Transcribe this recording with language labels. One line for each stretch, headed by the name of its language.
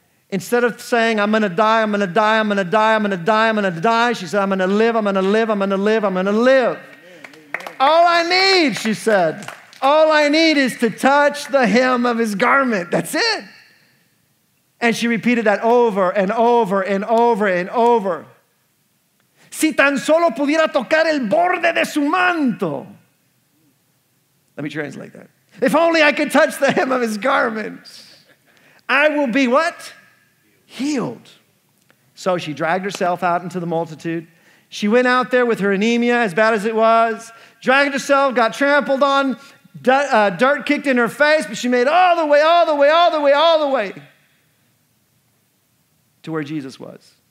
English: Instead of saying, "I'm going to die, I'm going to die, I'm going to die, I'm going to die, I'm going to die," she said, "I'm going to live, I'm going to live, I'm going to live, I'm going to live. All I need," she said, "all I need is to touch the hem of his garment. That's it." And she repeated that over and over and over and over.
Spanish: "Si tan solo pudiera tocar el borde de su manto."
English: Let me translate that. "If only I could touch the hem of his garment, I will be" what? "Healed." So she dragged herself out into the multitude. She went out there with her anemia, as bad as it was, dragged herself, got trampled on, dirt kicked in her face, but she made all the way, all the way, all the way, all the way to where Jesus was.